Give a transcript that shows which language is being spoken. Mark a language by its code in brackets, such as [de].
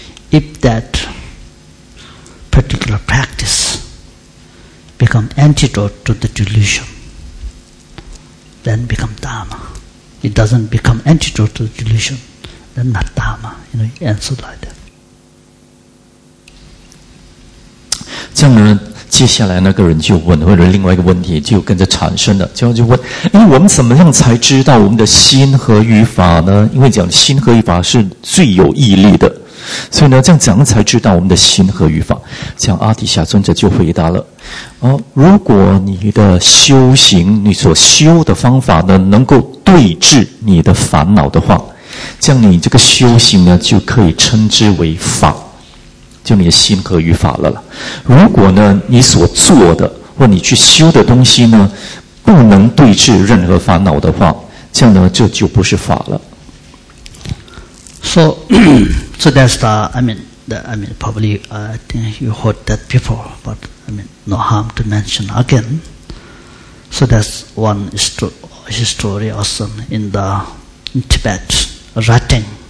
[en] If that particular practice become antidote to the delusion, then become Dharma. It doesn't become antidote to the delusion, then not Dharma. You know, he answered like that. [zh] 这样的人接下来那个人就问，或者另外一个问题就跟着产生了，就问：因为我们怎么样才知道我们的心合于法呢？因为讲心合于法是最有毅力的，所以呢，这样怎样才知道我们的心合于法？像阿底峡尊者就回答了：如果你的修行，你所修的方法呢，能够对治你的烦恼的话，这样你这个修行呢，就可以称之为法。就你的心合于法了。如果呢，你所做的或你去修的东西呢，不能对治任何烦恼的话，这样呢，这就不是法了。 [en] So that's the I mean probably I think you heard that before, but I mean no harm to mention again. So that's one story also in Tibet, Rating.